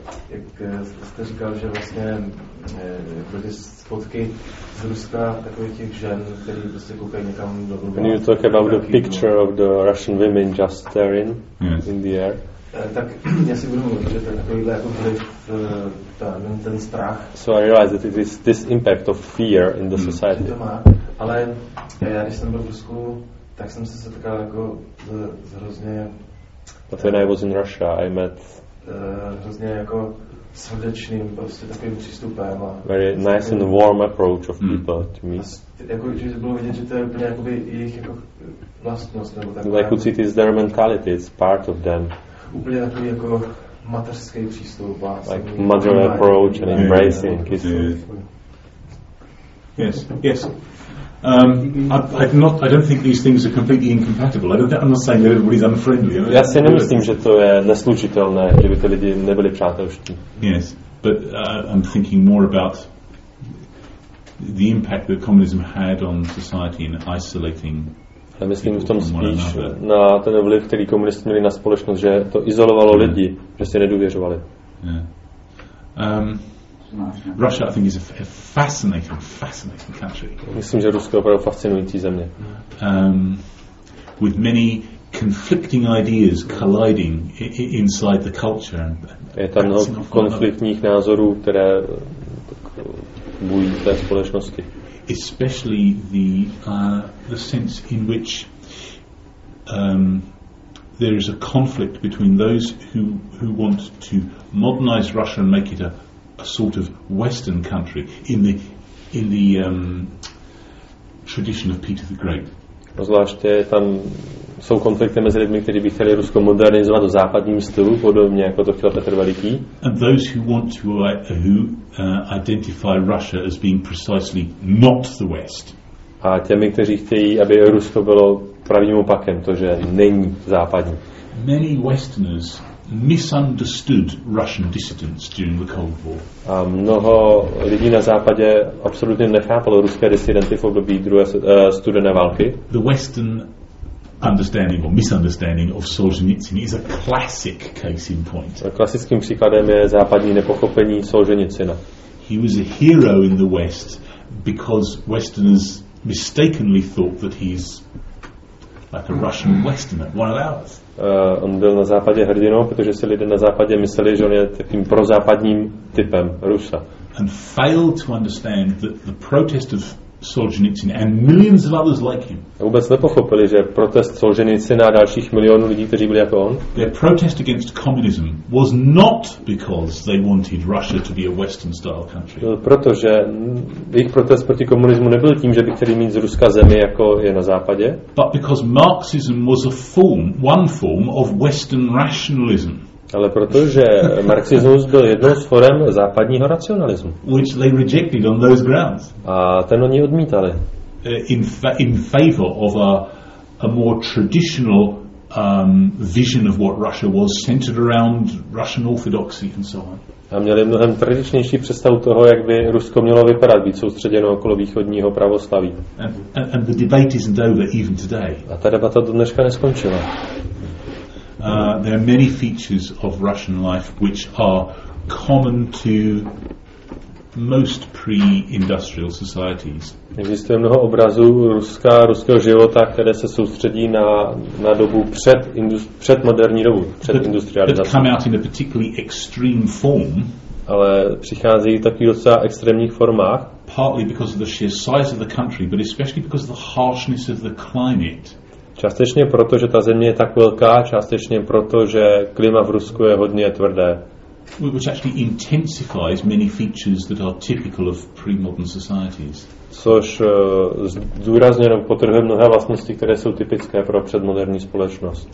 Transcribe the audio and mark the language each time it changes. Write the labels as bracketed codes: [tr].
[cs] Jak jste říkal, že vlastně pro ty fotky z Ruska takových těch žen, které prostě koukají někam do Ruska. [en] Can you talk about the picture of the Russian women just staring in the air? [cs] Tak já si budu mluvit, že to je takovýhle jako vliv, ten strach. [en] So I realize that it is this impact of fear in the society. [cs] To má, ale já když jsem byl v Rusku, tak jsem se setkal jako z hrozně... [en] But when I was in Russia, I met... [cs] Hrozně jako srdečným prostě takovým přístupem. A [en] very nice [cs] takovým, [en] and warm approach of people to me. [cs] Jako, že bylo vidět, že to je úplně jakoby jejich jako vlastnost. Nebo taková, [en] like, it is their mentality, it's part of them. [cs] Úplně takový jako mateřský přístup. A [en] like mother approach and embracing. Yeah. Yes, yes. I don't think these things are completely incompatible. I'm not saying that everybody's unfriendly. [cs] Já si nemyslím, že to je neslučitelné, že by ty lidi nebyli přátelští. [en] Yes, but I'm thinking more about the impact that communism had on society in isolating. [cs] Já myslím v tom spíš na ten vliv, který komunisté měli na společnost, že to izolovalo lidi, že si nedůvěřovali. [en] Russia, I think, is a fascinating country. [cs] Myslím, že Rusko je opravdu fascinující země. [en] With many conflicting ideas colliding inside the culture. [cs] Je tam mnoho konfliktních názorů, které bují v té společnosti. [en] Especially the sense in which there is a conflict between those who want to modernize Russia and make it a sort of Western country in the tradition of Peter the Great. [cs] Zvláště tam jsou konflikty mezi lidmi, kteří by chtěli Rusko modernizovat do západním stylu, podobně jako to chtěl Petr Veliký. [en] And those who want to identify Russia as being precisely not the West. [cs] A těmi, kteří chtějí, aby Rusko bylo pravým opakem, to, že není západní. [en] Many Westerners misunderstood Russian dissidents during the Cold War. [cs] A mnoho lidí na západě absolutně nechápalo ruské disidenty v období druhé studené války. [en] The Western understanding or misunderstanding of Solzhenitsyn is a classic case in point. [cs] Klasickým příkladem je západní nepochopení Solženicyna. [en] He was a hero in the West because Westerners mistakenly thought that he's like a Russian Westerner, one of ours. [cs] On byl na západě hrdinou, protože si lidé na západě mysleli, že on je takým prozápadním typem Rusa. [en] And failed to understand that the protest of Solzhenitsyn and millions of others like him. [cs] Vůbec nepochopili, že protest Solzhenitsyna a dalších milionů lidí, kteří byli jako on. [en] Their protest against communism was not because they wanted Russia to be a Western-style country. [cs] Protože jejich protest proti komunismu nebyl tím, že by chtěli mít z Ruska zemi, jako je na západě. [en] But because Marxism was a form, one form of Western rationalism. [cs] Ale protože marxismus byl jednou z forem západního racionalismu. [en] Which they rejected on those grounds. [cs] A ten oni odmítali. [en] In favor of a more traditional vision of what Russia was, centered around Russian orthodoxy and so on. [cs] A měli mnohem tradičnější představu toho, jak by Rusko mělo vypadat, být soustředěno okolo východního pravoslaví. [en] And the debate isn't over even today. [cs] A ta debata do dneška neskončila. [en] There are many features of Russian life which are common to most pre-industrial societies. [cs] Existuje mnoho obrazů Ruska, ruského života, které se soustředí na dobu před moderní dobu, před industrializací. [en] That come out in a particularly extreme form. [cs] Ale přicházejí taky docela extrémních formách. [en] Partly because of the sheer size of the country, but especially because of the harshness of the climate. [cs] Částečně proto, že ta země je tak velká, částečně proto, že klima v Rusku je hodně tvrdé. [en] Which actually intensifies many features that are typical of pre-modern societies. [cs] Což zdůrazně nebo potrhuje mnohé vlastnosti, které jsou typické pro předmoderní společnost.